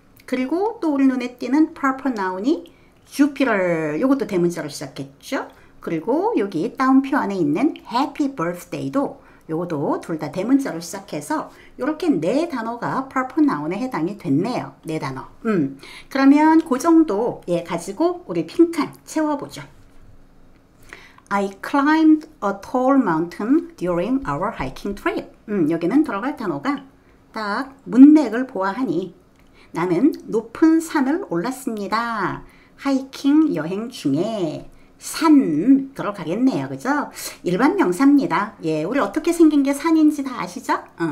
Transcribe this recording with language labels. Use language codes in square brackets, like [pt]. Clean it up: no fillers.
[ko] 그리고 또 우리 눈에 띄는 [en] proper noun [ko] 이 Jupiter 이것도 대문자로 시작했죠. 그리고 여기 따옴표 안에 있는 [en] happy birthday [ko] 도 이것도 둘 다 대문자로 시작해서 이렇게 네 단어가 [en] proper noun [ko] 에 해당이 됐네요. 네 단어. 그러면 그 정도 예 가지고 우리 핑칸 채워보죠. [en] I climbed a tall mountain during our hiking trip. [ko] 여기는 들어갈 단어가 딱 문맥을 보아하니 나는 높은 산을 올랐습니다. 하이킹 여행 중에 산 들어가겠네요. 그죠? 일반 명사입니다. 예, 우리 어떻게 생긴 게 산인지 다 아시죠?